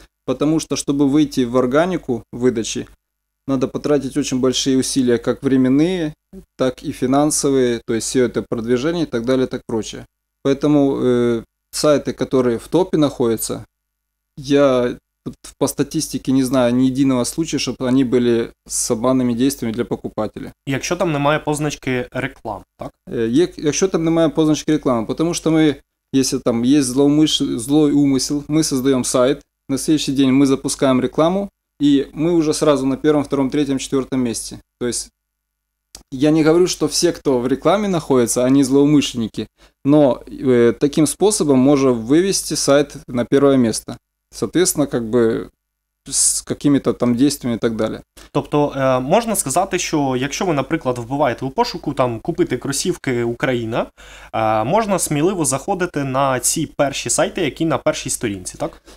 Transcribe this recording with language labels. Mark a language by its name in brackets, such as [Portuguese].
[Russian] Потому что, чтобы выйти в органику выдачи, надо потратить очень большие усилия, как временные, так и финансовые, то есть все это продвижение и так далее, и так прочее. Поэтому сайты, которые в топе находятся, я по статистике не знаю ни единого случая, чтобы они были с обманными действиями для покупателя. [Ukrainian] Якщо там немає позначки реклам, так? Якщо там немає позначки реклами, тому що ми, якщо там є злий умисел, ми створюємо сайт, на наступний день ми запускаємо рекламу, і ми вже одразу на першому, другому, третьому, четвертому місці. [Russian] Тобто, я не говорю, что все, кто в рекламе находится, они злоумышленники, но таким способом можно вывести сайт на первое место. Соответственно, как бы с какими-то там действиями и так далее. Тобто, можно сказать, что если вы, например, вбиваете [Ukrainian] у пошуку [Russian] там купить кроссовки Украина, можно смело заходить на эти первые сайты, которые на первой странице, так?